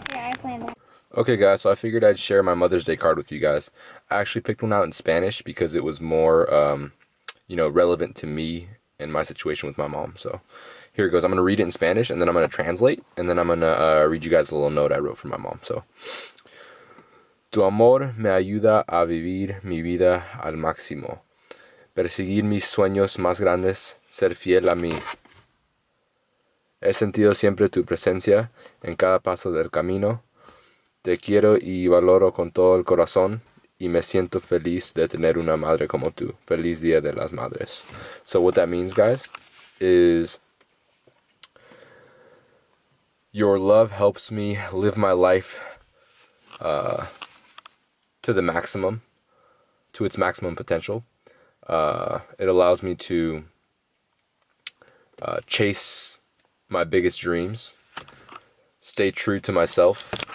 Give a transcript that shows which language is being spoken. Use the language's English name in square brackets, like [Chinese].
[English] Yeah, I planned it. Okay guys, so I figured I'd share my Mother's Day card with you guys. I actually picked one out in Spanish because it was more relevant to me and my situation with my mom. So here it goes. I'm gonna read it in Spanish, and then I'm gonna translate, and then I'm gonna read you guys a little note I wrote for my mom. [Spanish] So tu amor me ayuda a vivir mi vida al máximo. Perseguir mis sueños más grandes, ser fiel a mí. He sentido siempre tu presencia en cada paso del camino. Te quiero y valoro con todo el corazón y me siento feliz de tener una madre como tú. Feliz Día de las Madres. [English] So what that means, guys, is your love helps me live my life to the maximum, to its maximum potential. It allows me to chase my biggest dreams, stay true to myself.